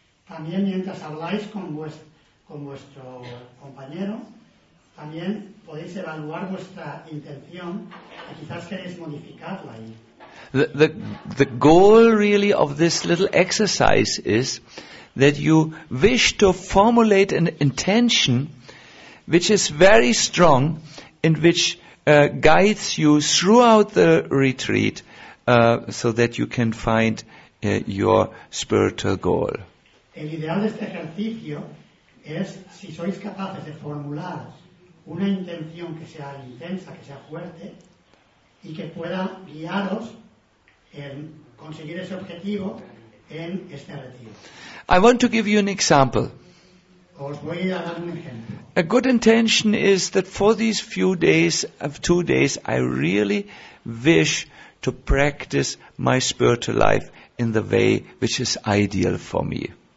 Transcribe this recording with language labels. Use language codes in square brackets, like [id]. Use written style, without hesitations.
[es] También mientras habláis con vuestro compañero, también podéis evaluar vuestra intención y quizás queréis modificarla ahí. [en] The goal really of this little exercise is that you wish to formulate an intention which is very strong and which guides you throughout the retreat so that you can find your spiritual goal. [es] El ideal de este ejercicio es si sois capaces de formular una intención que sea intensa, que sea fuerte y que pueda guiaros en conseguir ese objetivo en este retiro. [en] I want to give you an example. [es] Os voy a dar un ejemplo. [en] A good intention is that for these few days of 2 days I really wish to practice my spiritual life in the way which is ideal for me.